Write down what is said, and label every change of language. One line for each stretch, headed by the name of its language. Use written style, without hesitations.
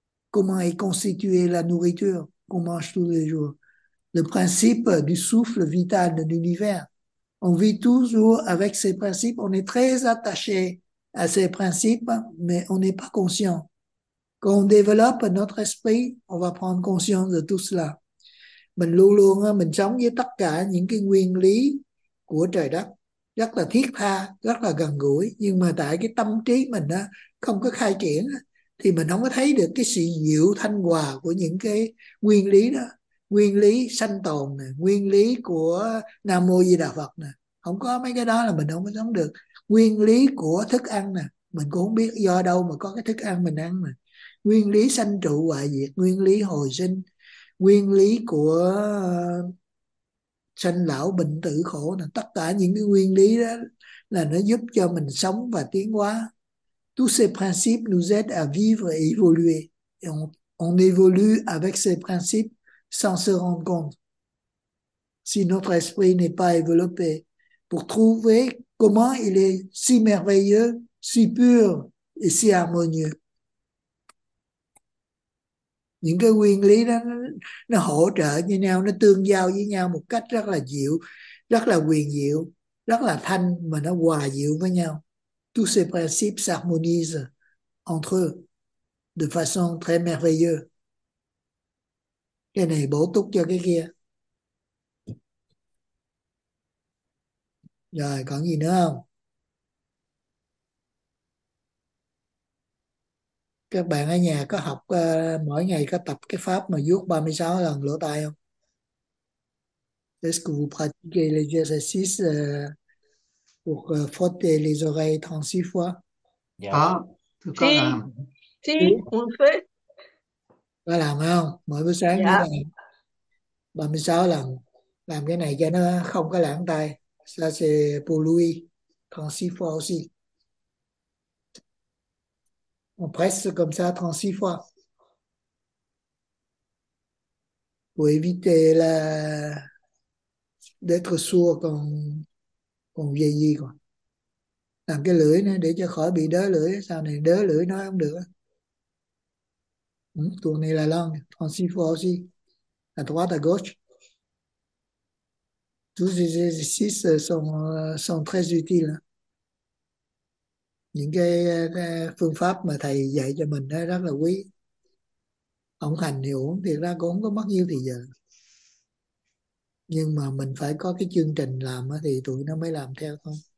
French: Comment est constituée la nourriture qu'on mange tous les jours? Le principe du souffle vital de l'univers. On vit toujours avec ces principes, on est très attaché à ces principes, mais on n'est pas conscient. Quand on développe notre esprit, on va prendre conscience de tout cela.
Vietnamese: Mình luôn luôn mình sống với tất cả những cái nguyên lý của trời đất rất là thiết tha, rất là gần gũi, nhưng mà tại cái tâm trí mình á không có khai triển thì mình không có thấy được cái sự diệu thanh hòa của những cái nguyên lý đó. Nguyên lý sanh tồn này, nguyên lý của Nam Mô Di Đà Phật này, không có mấy cái đó là mình không có sống được. Nguyên lý của thức ăn nè, mình cũng không biết do đâu mà có cái thức ăn mình ăn nè. Nguyên lý sanh trụ hoại diệt, nguyên lý hồi sinh, nguyên lý của sanh lão bệnh tử khổ nè, tất cả những cái nguyên lý đó là nó giúp cho mình sống và tiến hóa.
French: Tous ces principes nous aident à vivre et évoluer. Et on évolue avec ces principes sans se rendre compte. Si notre esprit n'est pas développé pour trouver comment il est si merveilleux, si pur et si harmonieux.
Vietnamese: Những cái nguyên lý đó nó hỗ trợ với nhau, nó tương giao với nhau một cách rất là diệu, rất là huyền diệu, rất là thanh mà nó hòa diệu với nhau.
French: Tous ces principes s'harmonisent entre eux de façon très merveilleuse.
Vietnamese: Cái này bổ túc cho cái kia. Rồi, còn gì nữa không? Các bạn ở nhà có học mỗi ngày có tập cái pháp mà vuốt 36 lần lỗ tai không?
French: Est-ce que vous pratiquez les exercices pour frotter les oreilles 36 fois?
Vietnamese: Có, tôi có
French: Si,
Vietnamese: làm.
French: on fait.
Vietnamese: Có làm không? Mỗi buổi sáng như Dạ. vậy 36 lần. làm cái này cho nó không có lãng tay.
French: Ça c'est pour lui, trente-six fois aussi. On presse comme ça 36 fois. Pour éviter la... d'être sourd quand on vieillit, quoi. Làm cái lưỡi nữa để cho khỏi bị đớ lưỡi. Sau này đớ lưỡi nói không được. Tourner la langue, 36 fois aussi. À droite, à gauche. Tous ces exercices sont très utiles.
Vietnamese: Những cái phương pháp mà thầy dạy cho mình đó rất là quý. Ông hành thì uổng, thiệt ra cũng không có mất nhiều thời giờ. Nhưng mà mình phải có cái chương trình làm đó, thì tụi nó mới làm theo thôi.